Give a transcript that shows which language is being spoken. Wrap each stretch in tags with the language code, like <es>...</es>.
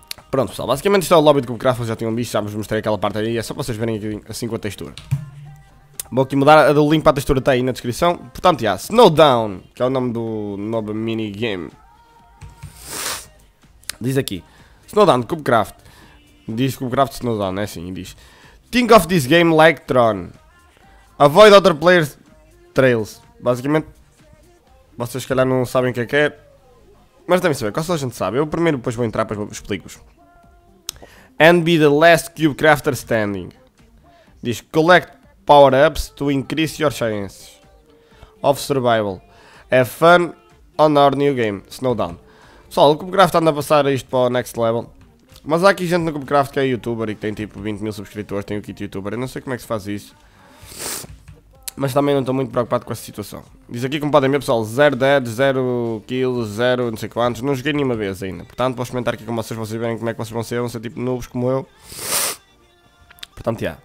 <pt>Pronto, pessoal, basicamente isto é o lobby do CubeCraft, vocês já tinham visto, já vos mostrei aquela parte aí. É só para vocês verem aqui, assim com a textura. Vou aqui mudar, o link para a textura está aí na descrição. Portanto, já, Snowdown, que é o nome do novo minigame. Diz aqui, Snowdown, CubeCraft. Diz CubeCraft, Snowdown, é assim, diz.</pt> <en>Think of this game like Tron. Avoid other players' trails.</en> <pt>Basicamente, vocês se calhar não sabem o que é. Mas devem saber, qual só a gente sabe. Eu primeiro depois vou entrar, depois explico-vos.</pt> <en>And be the last cube crafter standing.</en> <pt>Diz,</pt> <en>collect power-ups to increase your chances of survival. Have fun on our new game, Snowdown.</en> <pt>Pessoal, o CubeCraft anda a passar isto para o next level. Mas há aqui gente no CubeCraft que é youtuber e que tem tipo 20 mil subscritores, tem o kit youtuber. Eu não sei como é que se faz isso. Mas também não estou muito preocupado com essa situação. Diz aqui, como podem ver, pessoal, 0 dead, 0 kills, 0 não sei quantos. Não joguei nenhuma vez ainda. Portanto, vou experimentar aqui com vocês, vocês verem como é que vão ser tipo noobs como eu. Portanto, já.</pt>